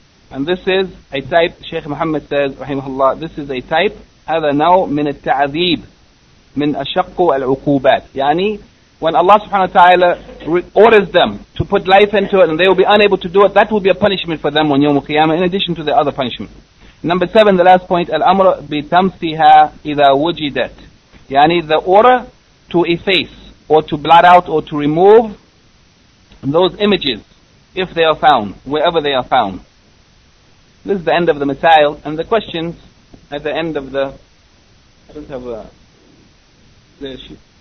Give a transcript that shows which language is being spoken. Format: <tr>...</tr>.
<en>And this is a type, Shaykh Muhammad says, rahimahullah, this is a type,</en> <ar>هذا نوع من التعذيب من أشق العقوبات.</ar> <en>يعني when Allah subhanahu wa ta'ala orders them to put life into it and they will be unable to do it, that will be a punishment for them on Yawm Qiyamah in addition to the other punishment. Number seven, the last point,</en> <ar>الأمر بتمسيها إذا وجدت.</ar> <en>يعني the order to efface or to blot out or to remove those images if they are found, wherever they are found. This is the end of the masail, and the questions at the end of the... I don't have the issue.</en>